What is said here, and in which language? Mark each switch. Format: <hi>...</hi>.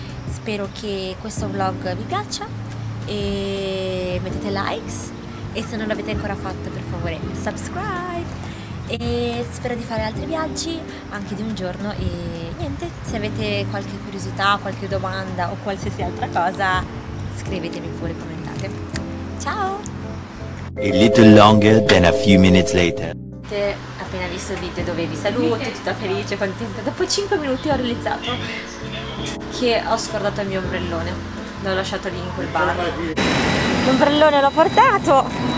<it>Spero che questo vlog vi piaccia e mettete likes, e se non l'avete ancora fatto, per favore subscribe. E spero di fare altri viaggi anche di un giorno. E niente, se avete qualche curiosità, qualche domanda o qualsiasi altra cosa, scrivetemi pure, commentate. Ciao.</it> <en>A little longer than a few minutes later.</en> <it>Appena visto il video dove vi saluto, tutta felice, contenta, dopo 5 minuti ho realizzato che ho scordato il mio ombrellone. L'ho lasciato lì in quel bar. L'ombrellone l'ho portato.</it>